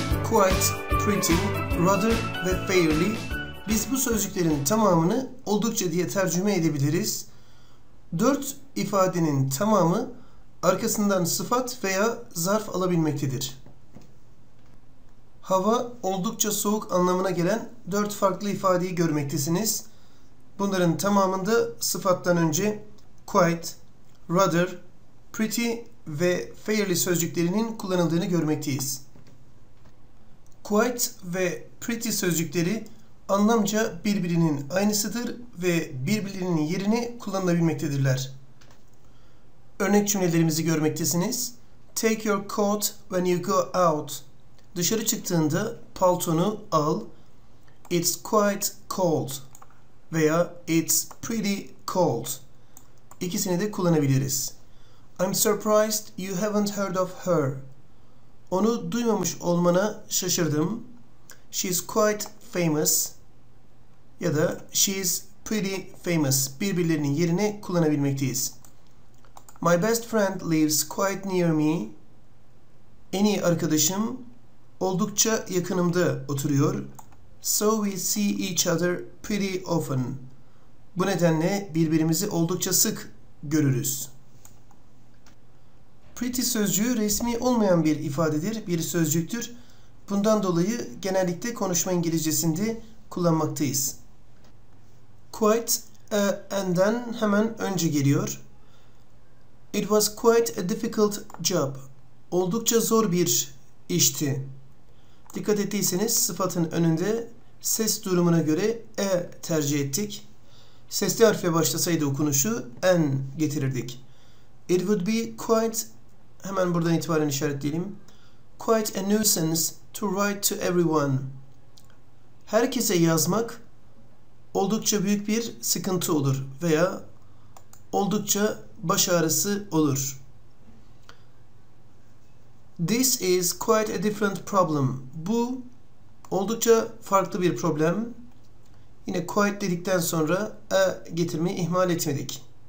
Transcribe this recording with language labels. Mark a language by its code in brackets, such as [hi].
[en] quite, pretty, rather ve fairly. [tr] Biz bu sözcüklerin tamamını oldukça diye tercüme edebiliriz. Dört ifadenin tamamı arkasından sıfat veya zarf alabilmektedir. Hava oldukça soğuk anlamına gelen dört farklı ifadeyi görmektesiniz. Bunların tamamında sıfattan önce quite, rather, pretty ve fairly sözcüklerinin kullanıldığını görmekteyiz. Quite ve pretty sözcükleri anlamca birbirinin aynısıdır ve birbirinin yerini kullanılabilmektedirler. Örnek cümlelerimizi görmektesiniz. [en] Take your coat when you go out. [tr] Dışarı çıktığında paltonu al. [en] It's quite cold. [tr] Veya [en] it's pretty cold. [tr] İkisini de kullanabiliriz. [en] I'm surprised you haven't heard of her. [tr] Onu duymamış olmana şaşırdım. [en] She's quite famous. [tr] Ya da [en] she's pretty famous. [tr] Birbirlerinin yerini kullanabilmekteyiz. [en] My best friend lives quite near me. [tr] En iyi arkadaşım oldukça yakınımda oturuyor. [en] So we see each other pretty often. [tr] Bu nedenle birbirimizi oldukça sık görürüz. Pretty sözcüğü resmi olmayan bir ifadedir, bir sözcüktür. Bundan dolayı genellikle konuşma İngilizcesinde kullanmaktayız. Quite and'den hemen önce geliyor. [en] It was quite a difficult job. [tr] Oldukça zor bir işti. Dikkat ettiyseniz sıfatın önünde ses durumuna göre e tercih ettik. Sesli harfle başlasaydı okunuşu n getirirdik. [en] It would be quite, [tr] hemen buradan itibaren işaretleyelim, [en] quite a nuisance to write to everyone. [tr] Herkese yazmak oldukça büyük bir sıkıntı olur veya oldukça baş ağrısı olur. [en] This is quite a different problem. [tr] Bu oldukça farklı bir problem. Yine quite dedikten sonra a getirmeyi ihmal etmedik.